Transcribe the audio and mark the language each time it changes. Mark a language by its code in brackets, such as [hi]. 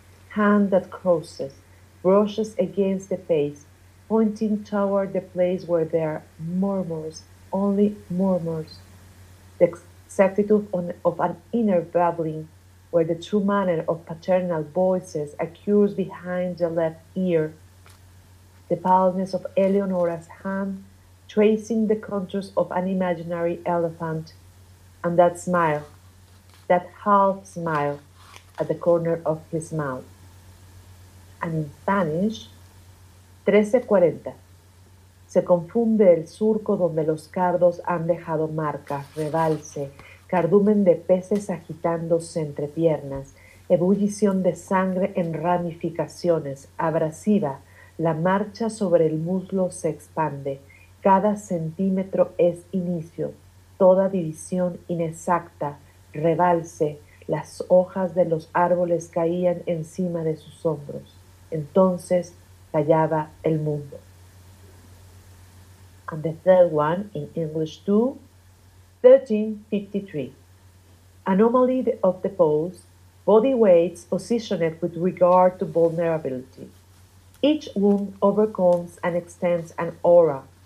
[en] hand that crosses, brushes against the face, pointing toward the place where there are murmurs, only murmurs, the exactitude of an inner babbling, where the true manner of paternal voices accrues behind the left ear. the paleness of Eleonora's hand, tracing the contours of an imaginary elephant, and that smile, that half smile at the corner of his mouth. And in Spanish, 1340. [es] Se confunde el surco donde los cardos han dejado marcas, rebalse, cardumen de peces agitándose entre piernas, ebullición de sangre en ramificaciones, abrasiva, la marcha sobre el muslo se expande, cada centímetro es inicio, toda división inexacta, rebalse, las hojas de los árboles caían encima de sus hombros, entonces callaba el mundo. [en] And the third one in English too, 1353. Anomaly of the pose, body weights positioned with regard to vulnerability. Each wound overcomes and extends an aura.